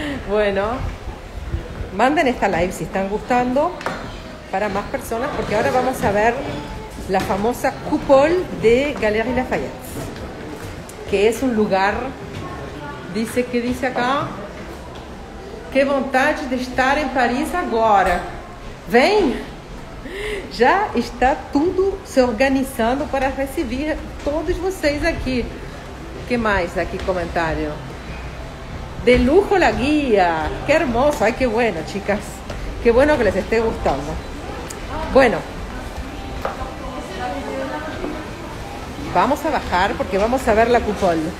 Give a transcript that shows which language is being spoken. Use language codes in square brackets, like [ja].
[es] Bueno, manden esta live si están gustando para más personas, porque ahora vamos a ver la famosa cúpula de Galerie Lafayette, que es un lugar... Dice que dice acá, qué [pt] vontade de estar [es] en París agora. [pt] Vem! Já está tudo se organizando para receber todos vocês aqui. Que mais aqui, comentário? [es] De lujo la guia. Que hermoso. Ai, que bueno, chicas. Que bueno que les esté gustando. Bueno. Vamos a bajar porque vamos a ver la cúpula.